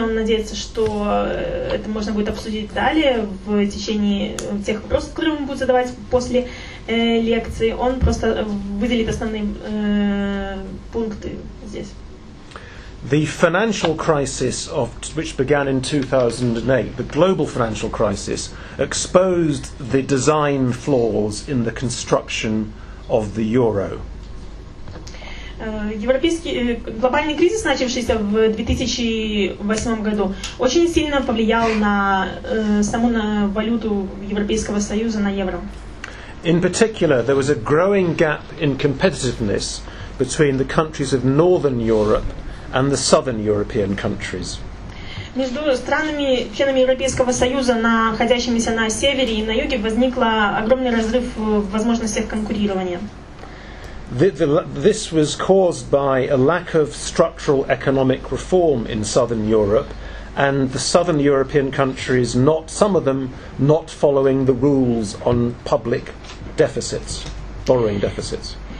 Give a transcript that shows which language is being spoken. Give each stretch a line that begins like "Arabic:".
Russian: Он надеется, что это можно будет обсудить далее в течение тех вопросов, которые он будет задавать после лекции. Он просто выделит основные пункты здесь.
English: The financial crisis which began in 2008, the global financial crisis, exposed the design flaws in the construction of the euro.
Russian: Европейский глобальный кризис, начавшийся в 2008 году, очень сильно повлиял на саму валюту Европейского Союза, на евро.
English: In particular, there was a growing gap in competitiveness between the countries of Northern Europe and the southern European countries.
Russian: Между странами, членами Европейского Союза, находящимися на севере и на юге, возникла огромный разрыв в возможностях конкурирования.
English: This was caused by a lack of structural economic reform in southern Europe, and the southern European countries, not some of them, not following the rules on public deficits, borrowing deficits.